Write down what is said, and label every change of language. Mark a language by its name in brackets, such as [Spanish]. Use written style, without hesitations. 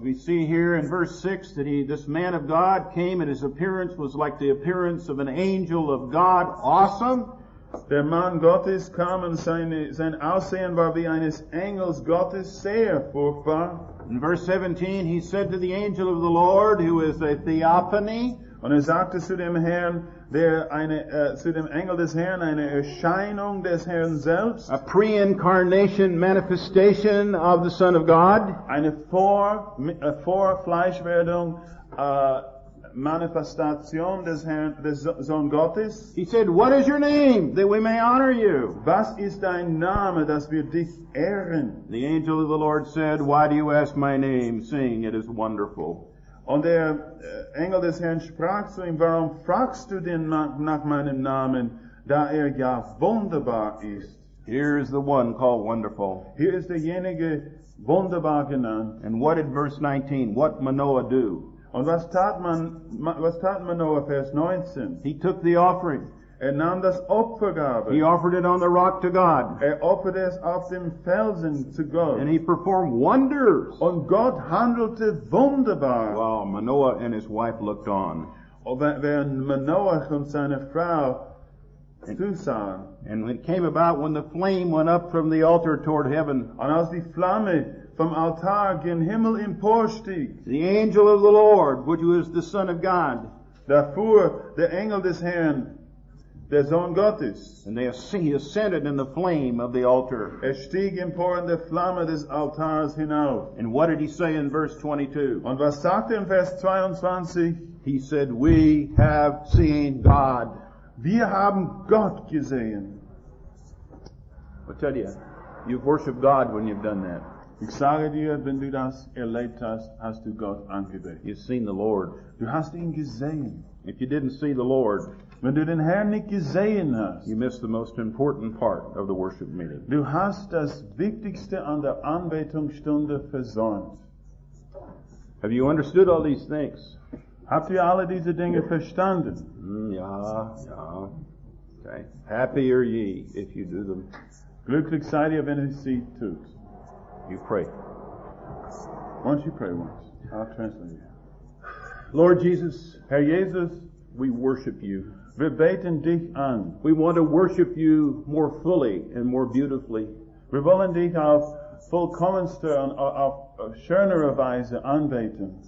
[English] We see here in verse 6 that this man of God came and his appearance was like the appearance of an angel of God. Awesome. [German] Der Mann Gottes kam und sein Aussehen war wie eines Engels Gottes sehr furchtbar. [English] In verse 17, he said to the angel of the Lord, who is a theophany. [German] Und sagte zu dem Herrn, zu dem Engel des Herrn, eine Erscheinung des Herrn selbst. [English] A pre-incarnation manifestation of the Son of God. [German] Eine Vorfleischwerdung, Manifestation des Herrn, des Sohn Gottes. [English] He said, what is your name, that we may honor you? [German] Was ist dein Name, dass wir dich ehren? [English] The angel of the Lord said, why do you ask my name, seeing it is wonderful? [German] Und der Engel des Herrn sprach zu ihm, warum fragst du denn nach meinem Namen, da er ja wunderbar ist? [English] Here is the one called wonderful. [German] Hier ist derjenige wunderbar genannt. [English] And what did verse 19, what Manoah do? [German] Und was tat Manoah, Vers 19? [English] He took the offering. [German] Er nahm das Opfergabe. [English] He offered it on the rock to God. [German] Er opferte es auf dem Felsen zu Gott. [English] And he performed wonders. [German] Und Gott handelte wunderbar. [English] Wow, Manoah and his wife looked on. [German] Und wenn Manoah und seine Frau zusahen. [English] And it came about when the flame went up from the altar toward heaven. [German] Und als die Flamme vom Altar gen Himmel emporstieg. [English] The angel of the Lord, which was the Son of God. [German] Da fuhr der Engel des Herrn, der Sohn Gottes. [English] And they ascended in the flame of the altar. [German] Er stieg empor in der Flamme des Altars hinauf. [English] And what did he say in verse 22? [German] Und was sagte er in Vers 22? [English] He said, we have seen God. [German] Wir haben Gott gesehen. [English] I tell you, you've worshipped God when you've done that. [German] Ich sage dir, wenn du das erlebt hast, hast du Gott angebetet. [English] You've seen the Lord. [German] Du hast ihn gesehen. [English] If you didn't see the Lord, [German] wenn du den Herrn nicht gesehen hast, [English] you missed the most important part of the worship meeting. [German] Du hast das Wichtigste an der Anbetungsstunde versäumt. [English] Have you understood all these things? [German] Habt ihr alle diese Dinge verstanden? Ja, ja. [English] Okay. Happy are ye if you do them. [German] Glücklich seid ihr, wenn ihr sie tut. [English] You pray. Why don't you pray once? I'll translate you. Lord Jesus, [German] Herr Jesus, [English] we worship you. [German] Wir beten dich an. [English] We want to worship you more fully and more beautifully. [German] Wir wollen dich auf vollkommenste und auf schönere Weise anbeten.